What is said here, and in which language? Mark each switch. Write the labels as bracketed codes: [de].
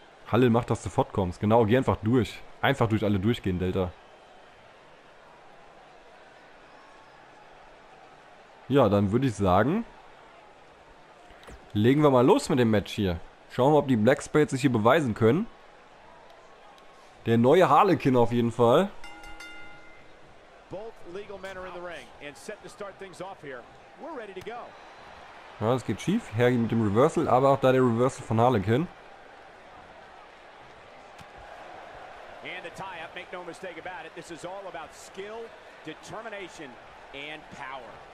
[de] Hallel macht, dass du fortkommst. Genau, geh einfach durch. Einfach durch alle durchgehen, Delta. Ja, dann würde ich sagen, legen wir mal los mit dem Match hier. Schauen wir, ob die Black Spades sich hier beweisen können. Der neue Harlequin auf jeden Fall. [en] Both legal men are in the ring and set to start things off here. We're ready to go. [de] Ja, es geht schief. Hergi mit dem Reversal, aber auch da der Reversal von Harlequin. [en] And the tie-up, make no mistake about it. This is all about skill, determination and power.